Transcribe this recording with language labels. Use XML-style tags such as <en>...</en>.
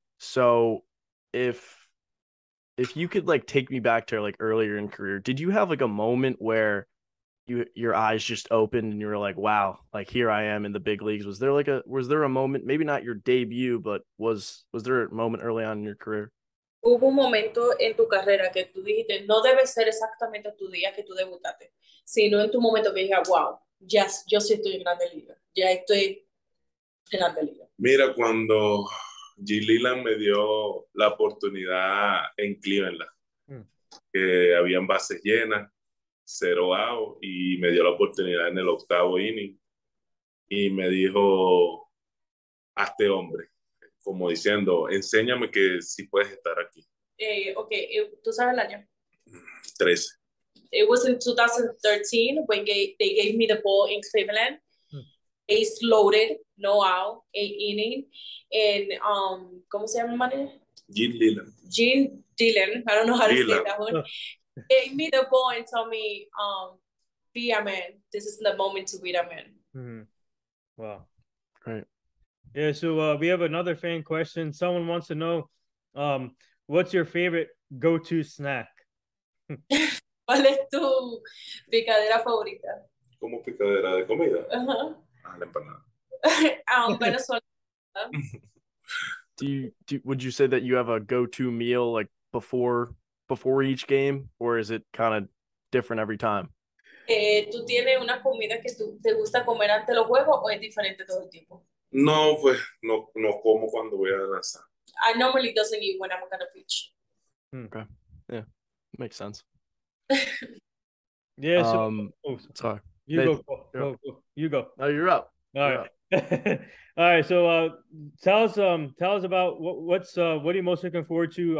<en>So if you could like take me back to like earlier in career, did you have like a moment where your eyes just opened and you were like, wow, like here I am in the big leagues? Was there a moment, maybe not your debut, but was there a moment early on in your career?</en> <es>Hubo un momento en tu carrera que tú dijiste, no debe ser exactamente tu día que tú debutaste, sino en tu momento que dije, wow, ya, yo sí estoy en Grandes Ligas, ya estoy en Grandes Ligas. Mira, cuando G. Leland me dio la oportunidad en Cleveland, que habían bases llenas, 0 out, y me dio la oportunidad en el octavo inning, y me dijo, hazte hombre. Como diciendo, enséñame que sí puedes estar aquí. Okay, ¿tú sabes el año? 13.</es> <en>It was in 2013 when they gave me the ball in Cleveland. Ace loaded, no out, 8 inning. And,</en> <es>¿cómo se llama el manager?</es> <en>Gene Dillon. I don't know how Dillon. To say that one. Gave me the ball and told me, be a man. This is the moment to be a man. Mm-hmm. Wow. Great. Yeah, so we have another fan question. Someone wants to know, what's your favorite go-to snack?</en> <es>¿Cuál es tu picadera favorita? ¿Cómo picadera de comida? Uh-huh. A la empanada. A un venezolano.</es> <en>Would you say that you have a go-to meal like before each game, or is it kind of different every time?</en> <es>¿Tú tienes una comida que tú te gusta comer antes de los juegos o es diferente todo el tiempo? No, pues no como cuando voy a lanzar.</es> <en>I normally doesn't eat when I'm gonna pitch. Okay, yeah, makes sense. Yeah. Sorry, you go. No, you're up. All right. All right, so tell us about what are you most looking forward to?</en>